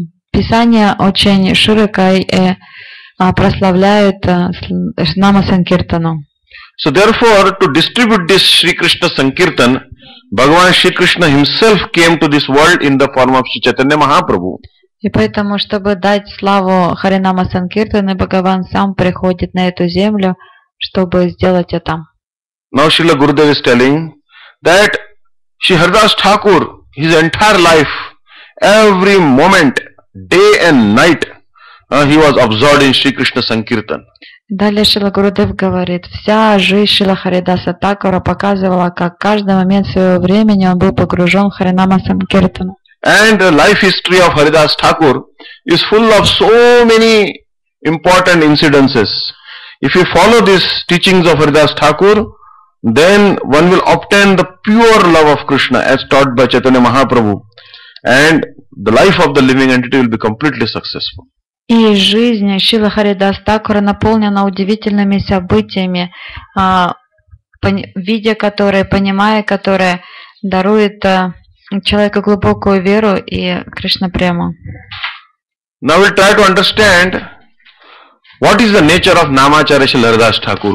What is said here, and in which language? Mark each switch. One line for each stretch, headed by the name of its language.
Russian: Писание очень широко прославляет нама Санкиртану.
English: So therefore, to distribute this Shri Krishna Sankirtan, Bhagavan Shri Krishna himself came to this world in the form of Shri Chaitanya Mahaprabhu.
Russian: И поэтому, чтобы дать славу Харинама Санкиртана, Бхагаван сам приходит на эту землю, чтобы сделать это.
English: Now Srila Gurudev is telling that Shri Haridas Thakur, his entire life, every moment, day and night, he was absorbed in Shri Krishna Sankirtan.
Russian: Далее Шрила Гурудев говорит, вся жизнь Шрила Харидаса Такура показывала, как каждый момент своего времени он был погружен в Харинама Санкиртану.
English: And the life history of Haridas Thakur is full of so many important incidences. If you follow these teachings of Haridas Thakur, then one will obtain the pure love of Krishna as taught by Chaitanya Mahaprabhu. And the life of the living entity will be completely successful.
Russian: И жизнь Шрилы Харидас Такура наполнена удивительными событиями, видя которые, понимая которые, дарует человеку глубокую веру и Кришна прему.
English: Now we'll try to understand What is the nature of Namacharya Srila Haridasa Thakur?